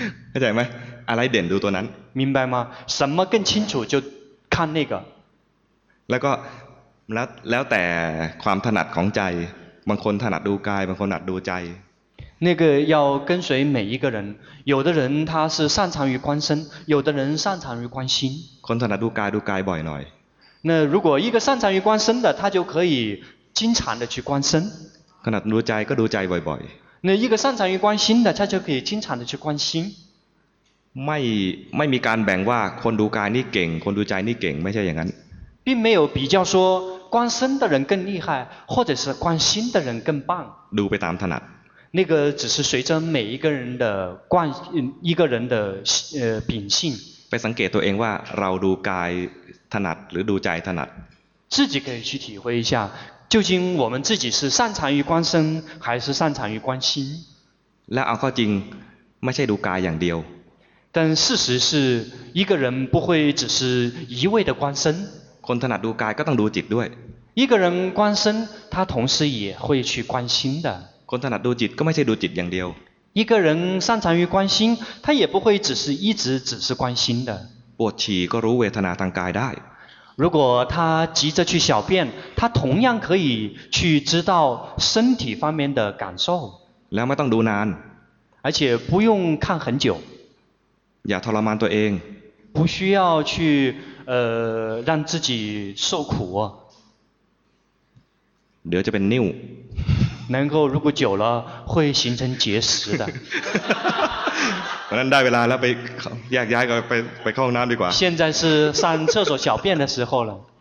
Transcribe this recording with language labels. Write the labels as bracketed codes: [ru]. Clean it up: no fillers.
[th] เข้าใจไหมอะไรเด่นดูตัวนั้น [zh] 明白吗什么更清楚就看那个 [th] แล้วก็แล้วแต่ความถนัดของใจบางคนถนัดดูกายบางคนถนัดดูใจ [zh] 那个要跟随每一个人有的人他是擅长于观身有的人擅长于观心 [th] คนถนัดดูกายดูกายบ่อยหน่อย [zh] 那如果一个擅长于观身的他就可以经常的去观身 [th] ถนัดดูใจก็ดูใจบ่อย [zh] ๆ那一个擅长于观心的他就可以经常的去观心 [th] ไม่มีการแบ่งว่าคนดูกายนี่เก่งคนดูใจนี่เก่งไม่ใช่อย่างนั้น [zh] 并没有比较说观身的人更厉害或者是观心的人更棒 [th] ดูไปตามถนัด [zh] 那个只是随着每一个人的观一个人的秉性 [th] ไปสังเกตตัวเองว่าเราดูกายถนัดหรือดูใจถนัด [zh] 自己可以去体会一下究竟我们自己是擅长于观身还是擅长于观心 [th] และเอาข้อจริงไม่ใช่ดูกายอย่างเดียว [zh] 但事实是一个人不会只是一味的观身 [th] คนถนัดดูกายก็ต้องดูจิตด้วย [zh] 一个人观身他同时也会去观心的 [th] คนถนัดดูจิตก็ไม่ใช่ดูจิตอย่างเดียว [zh] 一个人擅长于观心他也不会只是一直只是观心的 [th] ปวดฉี่ก็รู้เวทนาทางกายได้ [zh] 如果他急着去小便他同样可以去知道身体方面的感受 [th] แล้วไม่ต้องดูนาน [zh] 而且不用看很久 [th] อย่าทรมานตัวเอง [zh] 不需要去让自己受苦 [th] เดี๋ยวจะเป็นนิ่ว [zh] 能够如果久了会形成结石的 [th] เพราะนั้นได้เวลาแล้วไปแยกย้ายกันไปเข้าห้องน้ำดีกว่า [zh] 现在是上厕所小便的时候了